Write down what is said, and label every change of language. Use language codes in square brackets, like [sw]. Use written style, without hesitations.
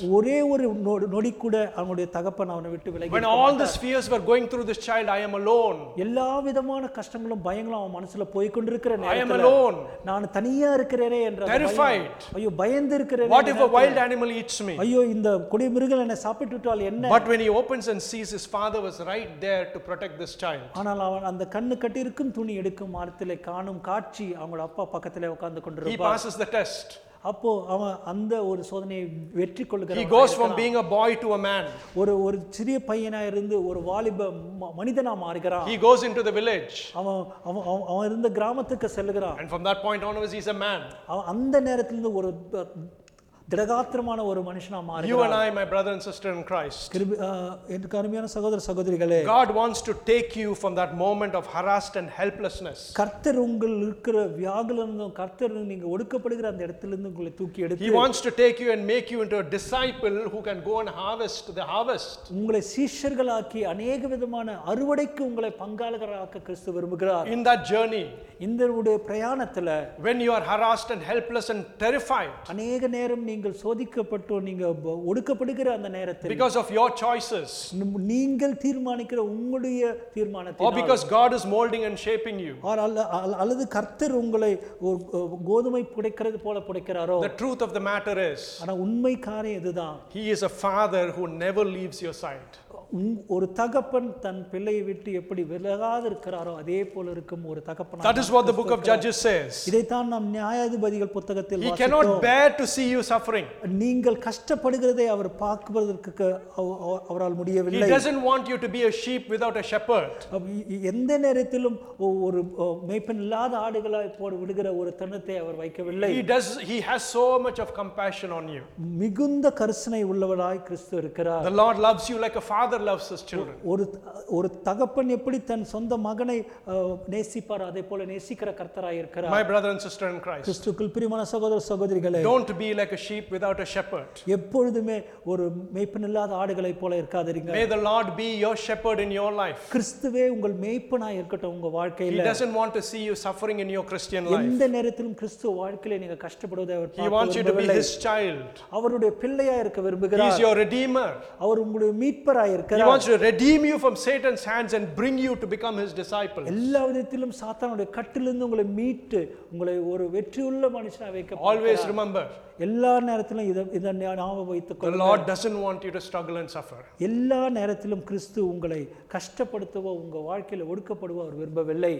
[ta] ஒரே ஒரு நொடி கூட அவனுடைய தகப்பன் அவனை விட்டு விலகி. [en] When all the fears were going through this child, I am alone. [ta] எல்லாவிதமான கஷ்டங்களும் பயங்களும் அவன் மனசுல போய் கொண்டிருக்கிற நேரத்துல, [en] I am alone. [ta] நான் தனியா இருக்கிறேனே என்ற [en] terrified. [ta] ஐயோ பயந்து இருக்கிறேன். [en] What if a wild animal eats me? [ta] ஐயோ இந்த கொடிய மிருகம் என்னை சாப்பிட்டுட்டால் என்ன? [en] But when he opens and sees his father was right there to protect this child. [ta] ஆனால் அவன் அந்த கண்ணு கட்டிருக்கும் துணி எடுக்கும் மரத்திலே காணும் காட்சி அவங்க அப்பா பக்கத்திலே உட்கார்ந்து கொண்டிருப்பார். [en] He passes the test. [ta] அப்போ அவன் அந்த ஒரு சோதனையை வெற்றி கொள்கிறான். [en] He goes from being a boy to a man. [ta] ஒரு ஒரு சிறிய பையனா இருந்து ஒரு வாலிப மனிதனா மாறுகிறான். [en] He goes into the village. [ta] அவன் இருந்த கிராமத்துக்கு செல்கிறான். [en] And from that point onwards he's a man. [ta] அவன் அந்த நேரத்துல இருந்து ஒரு திடகாத்திரமான ஒரு மனுஷனா மாறுகிறான். [en] You and I, my brother and sister in Christ. [ta] என் கருமையான சகோதர சகோதரிகளே, [en] God wants to take you from that moment of harassed and helplessness. [ta] கர்த்தர் உங்களுக்கு இருக்கிற வியாதியிலிருந்தும், கர்த்தர் நீங்க ஒடுக்கப்படுகிற அந்த இடத்துல இருந்து உங்களை தூக்கி எடுத்து, [en] He wants to take you and make you into a disciple who can go and harvest the harvest. [ta] உங்களை சீஷர்களாக்கி அநேக விதமான அறுவடைக்கு உங்களை பங்காளிகளாக்க கிறிஸ்து விரும்புகிறார். [en] In that journey, [ta] இந்தருடைய பிரயாணத்துல, [en] when you are harassed and helpless and terrified, [ta] அநேக நேரம் நீங்கள் சோதிக்கப்பட்டோ, நீங்க ஒடுக்கப்படுகிற அந்த நேரத்தில், [en] because of your choices, [ta] நீங்கள் தீர்மானிக்கிற உங்களுடைய தீர்மானத்தினால், [en] or because God is molding and shaping you, [ta] or அல்லது கர்த்தர் உங்களை கோதுமை புடைக்கிறது போல புடைக்கிறாரோ, [en] the truth of the matter is, [ta] ஆனா உண்மை காரணம் இதுதான், [en] He is a father who never leaves your side. [ta] ஒரு தகப்பன் தன் பிள்ளையை விட்டு எப்படி விலகாது இருக்கிறாரோ அதே போல இருக்கும் ஒரு தகப்பன். [en] That is what the book of Judges says. [ta] இதைத்தான் நாம் நியாயாதிபதிகள் புத்தகத்தில் வாசிக்கிறோம். [en] He cannot bear to see you suffering. [ta] நீங்கள் கஷ்டப்படுகிறதை அவர் பார்க்கிறதுக்கு அவரால் முடியவில்லை. [en] He doesn't want you to be a sheep without a shepherd. [ta] எந்த நேரத்திலும் ஒரு மேய்ப்பன் இல்லாத ஆடுகளாய் போடு விடுகிற ஒரு தன்னத்தை அவர் வைக்கவில்லை. [en] He has so much of compassion on you. [ta] மிகுந்த கருணை உள்ளவராய் கிறிஸ்து இருக்கிறார். [en] The Lord loves you like a father loves his children. [ta] ஒரு தகப்பன் எப்படி தன் சொந்த மகனை நேசிப்பார் அதே போல நேசிக்கிற கர்த்தராய் இருக்கிறார். [en] My brother and sister in Christ. [ta] கிறிஸ்துவுக்குள் பிரியமான சகோதர சகோதரிகளே, [en] don't be like a sheep without a shepherd. [ta] எப்பொழுதே ஒரு மேய்ப்பன் இல்லாத ஆடுகளை போல இருக்காதீர்கள். [en] May the Lord be your shepherd in your life. [ta] கிறிஸ்துவே உங்கள் மேய்ப்பனாய் இருக்கட்டும் உங்கள் வாழ்க்கையில. [en] He doesn't want to see you suffering in your Christian life. [ta] எந்த நேரத்திலும் கிறிஸ்துவ வாழ்க்கையிலே நீங்க கஷ்டப்படுவதை அவர் பார்க்க விரும்பவில்லை. [en] He wants you to be his child. [ta] அவருடைய பிள்ளையாய் இருக்க விரும்புகிறார். [en] He is your redeemer. [ta] அவர் உங்களுடைய மீட்பர். [en] He wants to redeem you from Satan's hands and bring you to become his disciple. [ta] எல்லா விதத்திலும் சாத்தானுடைய கட்டிலிருந்து உங்களை மீட்டு உங்களை ஒரு வெற்றியுள்ள மனுஷனாக வைக்க. [en] Always remember. [ta] எல்லா நேரத்திலும் இதை ஞாபகம் வைத்துக் கொள். [en] The Lord doesn't want you to struggle and suffer. [ta] எல்லா நேரத்திலும் கிறிஸ்து உங்களை கஷ்டப்படுத்தவோ உங்க வாழ்க்கையில ஒடுக்கப்படுவோ விரும்பவில்லை.